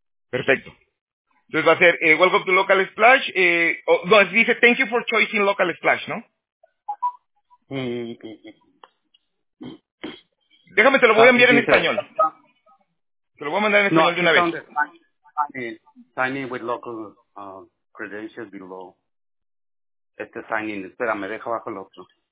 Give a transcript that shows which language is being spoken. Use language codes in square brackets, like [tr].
[es] Perfecto. Entonces va a ser [en] Welcome to Local Splash. [es] Dice [en] Thank you for choosing Local Splash, [es] ¿no? Déjame, te lo voy a enviar en español. Te lo voy a mandar en español de una vez. [en] Sign in with local credentials below. [es] Este sign in, espera, me deja abajo el otro.